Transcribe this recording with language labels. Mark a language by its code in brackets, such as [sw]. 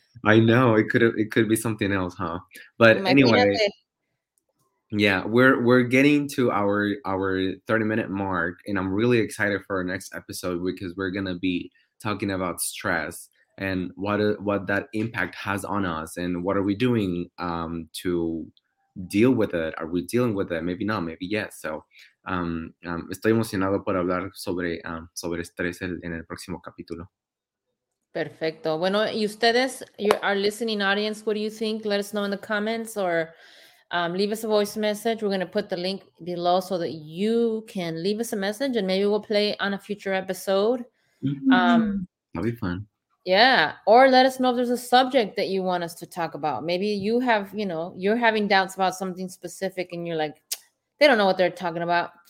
[en] I know, it could be something else, huh? But anyway, yeah, we're getting to our 30-minute mark, and I'm really excited for our next episode, because we're gonna be talking about stress and what that impact has on us, and what are we doing to deal with it? Are we dealing with it? Maybe not. Maybe yes. [es] So, estoy emocionado por hablar sobre estrés en el próximo capítulo. [en] Perfecto. Bueno, y ustedes, our listening audience, what do you think? Let us know in the comments, or leave us a voice message. We're going to put the link below so that you can leave us a message, and maybe we'll play on a future episode. That'll be fun. Yeah. Or let us know if there's a subject that you want us to talk about. Maybe you have, you know, you're having doubts about something specific, and you're like, they don't know what they're talking about.